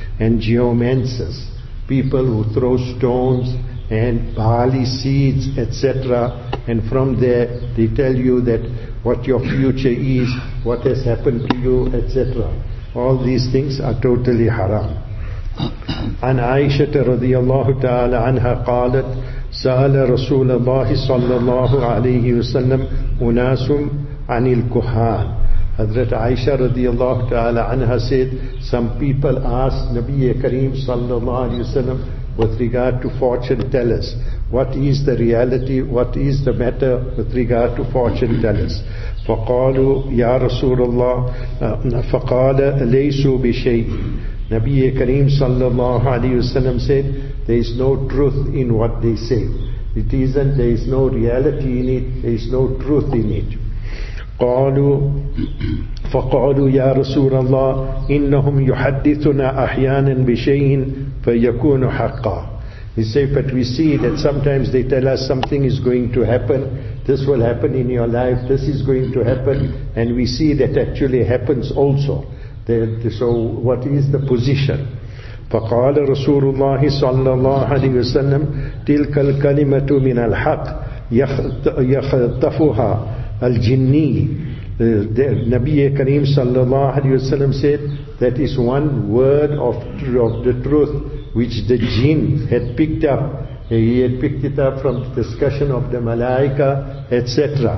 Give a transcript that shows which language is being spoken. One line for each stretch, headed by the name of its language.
English: And geomancers, people who throw stones and barley seeds, etc. And from there, they tell you that what your future is, what has happened to you, etc. All these things are totally haram.
Arabic: An Aisha radiallahu ta'ala anha qalat, سأل رسول الله صلى الله عليه وسلم أناس عن الكهان.
English: حضرت عائشة رضي الله تعالى عنها said, some people asked نبي كريم صلى الله عليه وسلم with regard to fortune tellers, what is the reality, what is the matter with regard to fortune tellers.
Arabic: فقالوا يا رسول الله فقال ليسوا بشيء.
English: نبي كريم صلى الله عليه وسلم said, there is no truth in what they say. It isn't, there is no reality in it, there is no truth in it.
Arabic: قالوا فقالوا يا رسول الله إنهم يحدثنا أحيانا بشيء فيكون حقا.
English: He said, but we see that sometimes they tell us something is going to happen, this will happen in your life, this is going to happen, and we see that actually happens also. So what is the position?
Arabic: فقال رسول الله صلى الله عليه وسلم تلك الكلمة من الحق يخطفها الجني.
English: نبي كريم صلى الله عليه وسلم said, that is one word of the truth which the jinn had picked up. He had picked it up from the discussion of the malaika, etc.